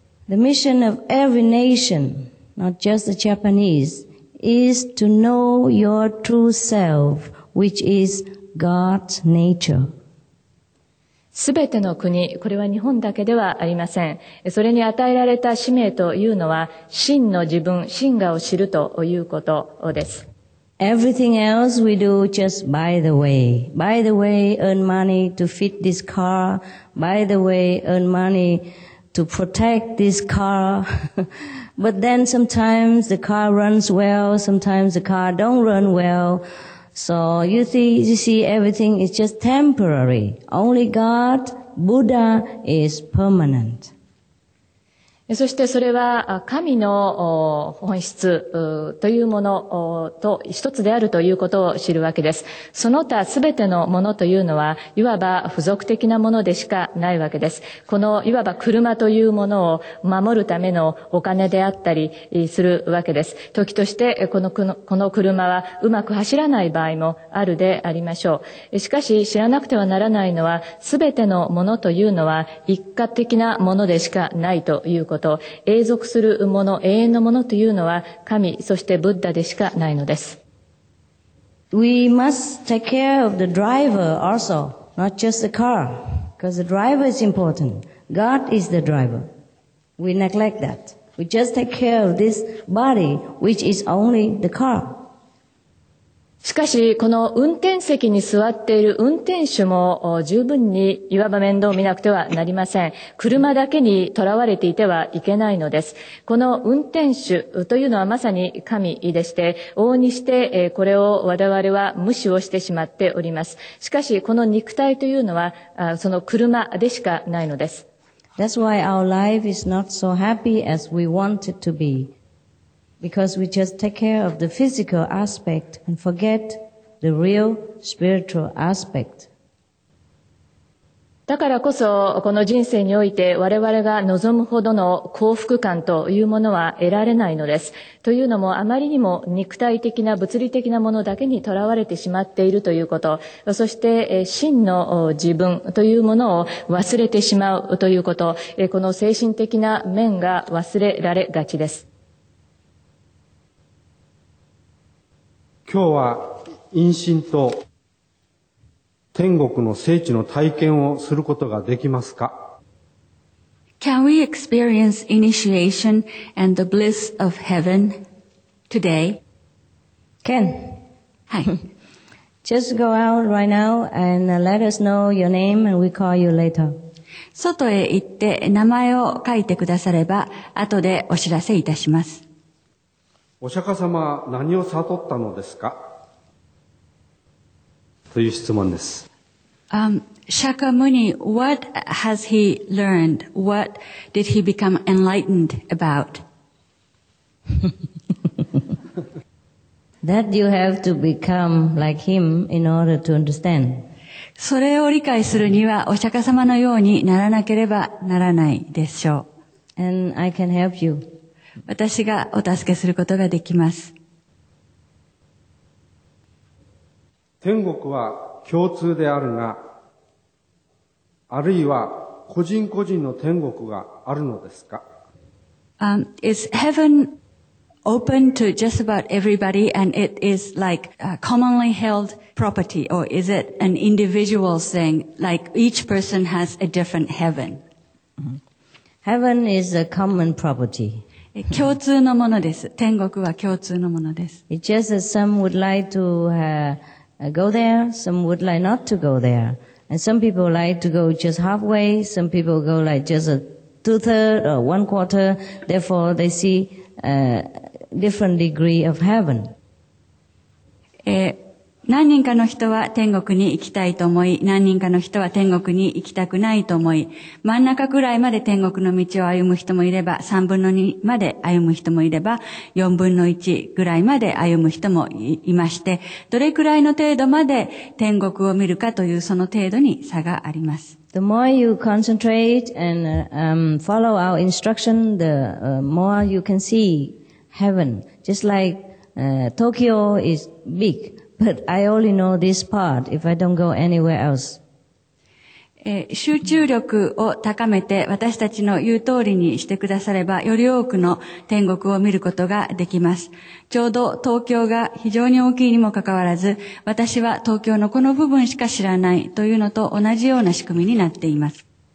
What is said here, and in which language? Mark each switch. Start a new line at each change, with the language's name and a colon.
English: The mission of every nation, not just the Japanese,is to know your true self, which is God's nature.
Japanese: すべての国、これは日本だけではありません。それに与えられた使命というのは、真の自分、真我を知るということです。
English: Everything else we do just by the way. By the way, earn money to fit this car. By the way, earn money to protect this car. But then sometimes the car runs well, sometimes the car don't run well. So you see everything is just temporary. Only God, Buddha is permanent.
Japanese: そしてそれは神の本質というものと一つであるということを知るわけです。その他すべてのものというのは、いわば付属的なものでしかないわけです。このいわば車というものを守るためのお金であったりするわけです。時としてこの車はうまく走らない場合もあるでありましょう。しかし知らなくてはならないのは、すべてのものというのは一過的なものでしかないということです。永続するもの、永遠のものというのは神、そしてブッダでしかないのです。
English: We must take care of the driver also, not just the car, because the driver is important. God is the driver. We neglect that. We just take care of this body, which is only the car.
Japanese: しかしこの運転席に座っている運転手も十分にいわば面倒を見なくてはなりません。車だけにとらわれていてはいけないのです。この運転手というのはまさに神でして、往々にしてこれを我々は無視をしてしまっております。しかしこの肉体というのはその車でしかないのです。
English: That's why our life is not so happy as we want it to beBecause we just take care of the physical aspect and forget the real spiritual aspect.
Japanese: だからこそこの人生において我々が望むほどの幸福感というものは得られないのです。というのもあまりにも肉体的な物理的なものだけにとらわれてしまっているということ、そして真の自分というものを忘れてしまうということ、この精神的な面が忘れられがちです。今日は陰身と天国の聖地の体験をすることができますか？
English: Can we experience initiation and the bliss of heaven today? Can. Hi. Just go out right now and let us know your name and we call you later.
Japanese: 外へ行って名前を書いてくだされば後でお知らせいたします。お釈迦様は何を悟ったのですか？という質問です。
English: Shakyamuni, what has he learned? What did he become enlightened about? That you have to become like him in order to understand.
Japanese: それを理解するにはお釈迦様のようにならなければならないでしょう。
English: And I can help you.
Japanese: 私がお助けすることができます。天国は共通であるが、あるいは個人個人の天国があるのですか？
English: Is heaven open to just about everybody and it is like a commonly held property or is it an individual thing like each person has a different heaven? Heaven is a common property.
Japanese: 共通のものです。天国は共通のものです。
English: It's just that some would like to go there, some would like not to go there. And some people like to go just halfway, some people go like just a two-third or one-quarter. Therefore, they see a different degree of heaven.
Japanese: 何人かの人は天国に行きたいと思い、何人かの人は天国に行きたくないと思い、真ん中くらいまで天国の道を歩む人もいれば、三分の二まで歩む人もいれば、四分の一ぐらいまで歩む人もいまして、どれくらいの程度まで天国を見るかというその程度に差があります。
English: The more you concentrate and follow our instruction, the more you can see heaven. Just like Tokyo is big. But I only know this part if I don't go anywhere else.
Japanese: 集中力を高めて私たちの言う通りにしてくださればより多くの天国を見ることができます。ちょうど東京が非常に大きいにもかかわらず私は東京のこの部分しか知らないというのと同じような仕組みになっています。